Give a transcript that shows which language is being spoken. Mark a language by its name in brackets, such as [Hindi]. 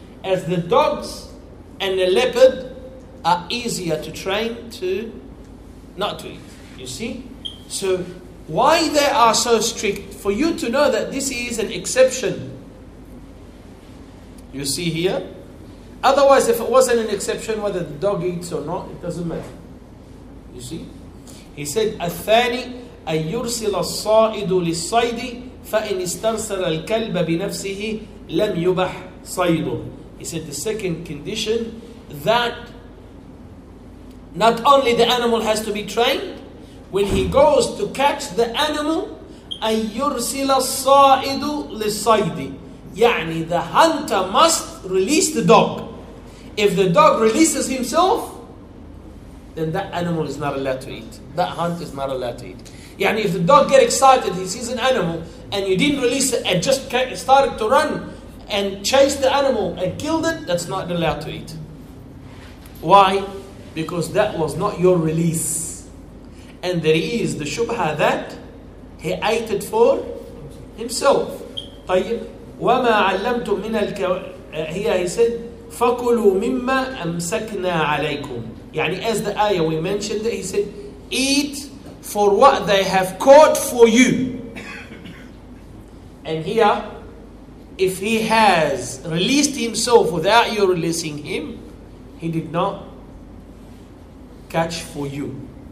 [English] As the dogs and the leopard are easier to train to not to eat. You see? So why they are so strict? For you to know that this is an exception. You see here? Otherwise, if it wasn't an exception, whether the dog eats or not, it doesn't matter. You see? He said, [Arabic] الثاني أن يرسل الصائد للصيد فإن استرسل الكلب بنفسه لم يبح صيده. [English] He said, the second condition, that not only the animal has to be trained, when he goes to catch the animal, [Arabic] أن يرسل الصائد للصيد. [English] يعني the hunter must release the dog. If the dog releases himself, then that animal is not allowed to eat. That hunt is not allowed to eat. Yani if the dog gets excited, he sees an animal, and you didn't release it, and just started to run, and chase the animal, and killed it, that's not allowed to eat. Why? Because that was not your release. And there is the shubha that he ate it for himself. [Arabic] طيب وما علمتم من الكو... [English] he said, [Arabic] فَكُلُوا مِمَّا أَمْسَكْنَا عَلَيْكُمْ. [English] يعني as the ayah we mentioned, he said, eat for what they have caught for you. And here, if he has released himself without you releasing him, he did not catch for you.